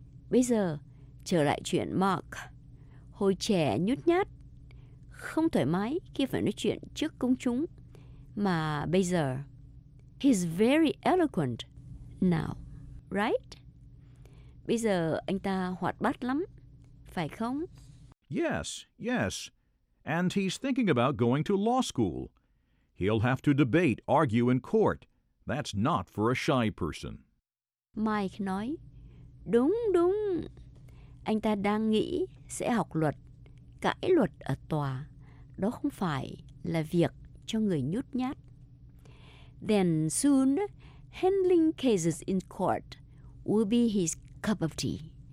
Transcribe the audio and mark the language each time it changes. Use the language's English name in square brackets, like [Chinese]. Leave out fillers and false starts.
[Vietnamese] Bây giờ, trở lại chuyện Mark. Hồi trẻ nhút nhát, không thoải mái khi phải nói chuyện trước công chúng. Mà bây giờ, [English] he's very eloquent now, right? [Vietnamese] Bây giờ, anh ta hoạt bát lắm, phải không? [English] Yes, yes. And he's thinking about going to law school. He'll have to debate, argue in court. That's not for a shy person. [Vietnamese] Mike nói, đúng, đúng. Anh ta đang nghĩ sẽ học luật, cãi luật ở tòa. Đó không phải là việc cho người nhút nhát. [English] Then soon, handling cases in court will be his cup of tea.